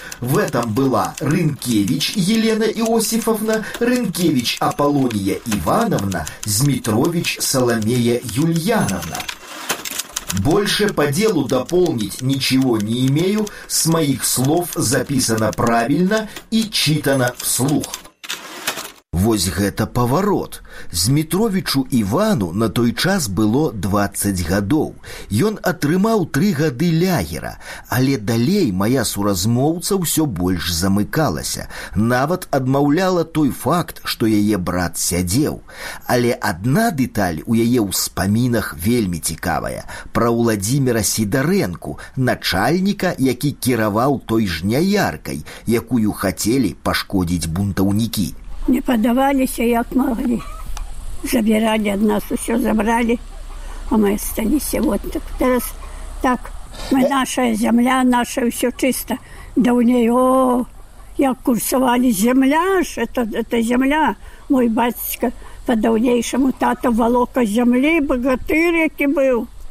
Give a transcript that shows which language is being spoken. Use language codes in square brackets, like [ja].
[ru] В этом была Рынкевич Елена Иосифовна, Рынкевич Аполлония Ивановна, Змитрович Соломея Юльяновна. Больше по делу дополнить ничего не имею, с моих слов записано правильно и читано вслух. [be] Вось гэта паварот. Змітровічу Івану на той час было 20 гадоў. Ён атрымаў 3 гады лагера, але далей мая суразмоўца ўсё больш замыкалася. Нават адмаўляла той факт, што яе брат сядзеў. Але адна дэталь у яе ўспамінах вельмі цікавая. Пра Уладзіміра Сідарэнку, начальніка, які кіраваў той жняяркай, якую хацелі пашкодзіць бунтаўнікі. [ru] Не подавались, а як могли. Забирали от нас, все забрали. А мы остались. Вот так, раз, так. Мы наша земля, наша, все чисто. Да у нее, о, як курсовали. Земля ж, это земля. Мой батюшка по-давнейшему тата волока земли, богатырь, який был.